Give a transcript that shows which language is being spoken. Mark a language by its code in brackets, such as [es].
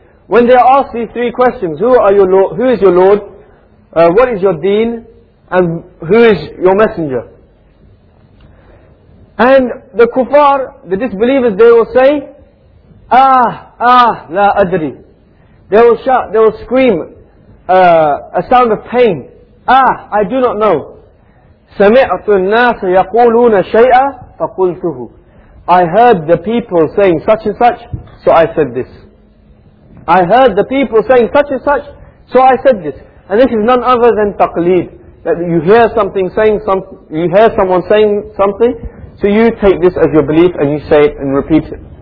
[en] When they are asked these three questions, who is your Lord, what is your deen, and who is your messenger? And the kuffar, the disbelievers, they will say, [ar] la adri. [en] They will shout, they will scream a sound of pain. I do not know. [ar] سمعت الناس يقولون شيئا فقلته. [en] I heard the people saying such and such, so I said this. I heard the people saying such and such, so I said this. And this is none other than taqleed. That you hear something saying something, you hear someone saying something, so you take this as your belief and you say it and repeat it.